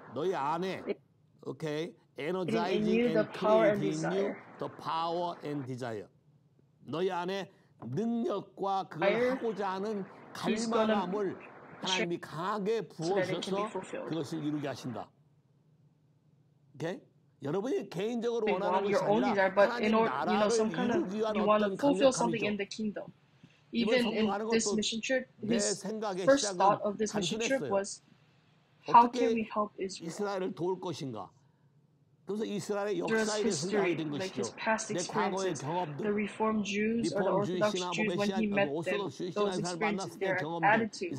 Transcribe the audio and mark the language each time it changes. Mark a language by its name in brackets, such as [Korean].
[Korean] 너희 안에, [English] okay, energizing and creating you, the power and desire. [Korean] 너희 안에 능력과 그걸 하고자 하는 갈망함을 하나님이 강하게 부어주셔서 그것을 이루게 하신다. 오케이? 여러분이 개인적으로 원하는 것이 아니라 하나님 나라를 이루기 위한 어떤 강력함이죠. [English] Even in this mission trip, his first thought of this mission trip was, how can we help Israel? Through his history, like his past experiences, the Reformed Jews or the Orthodox Jews, when he met them, those experiences, their attitude,